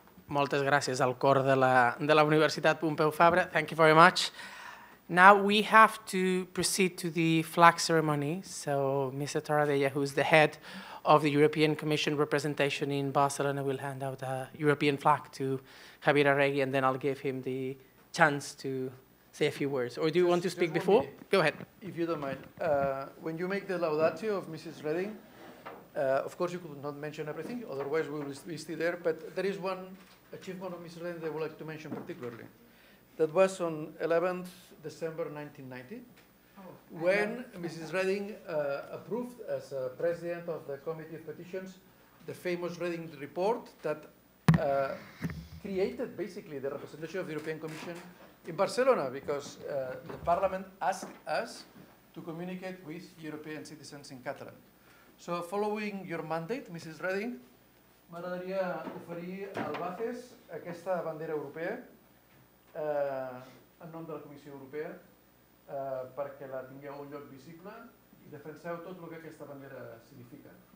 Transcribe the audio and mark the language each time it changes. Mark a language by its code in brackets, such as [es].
[ca] Moltes gràcies al cor de la Universitat Pompeu Fabra. [en] Thank you very much. Now we have to proceed to the flag ceremony. So Mr. Taradella, who is the head of the European Commission representation in Barcelona, will hand out a European flag to Javier Arregui, and then I'll give him the chance to say a few words, or do you want to speak before? Minute. Go ahead. If you don't mind, when you make the laudatio of Mrs. Redding, of course you could not mention everything, otherwise we will be still there, but there is one achievement of Mrs. Redding that I would like to mention particularly. That was on 11th December 1990, when Mrs. Redding approved as a president of the Committee of Petitions the famous Redding report that created basically the representation of the European Commission in Barcelona, because the Parliament asked us to communicate with European citizens in Catalan. So following your mandate, Mrs. [ca] Redding, m'agradaria oferir al BACES aquesta bandera europea en nom de la Comissió Europea perquè la tingueu un lloc visible i defenseu tot el que aquesta bandera significa.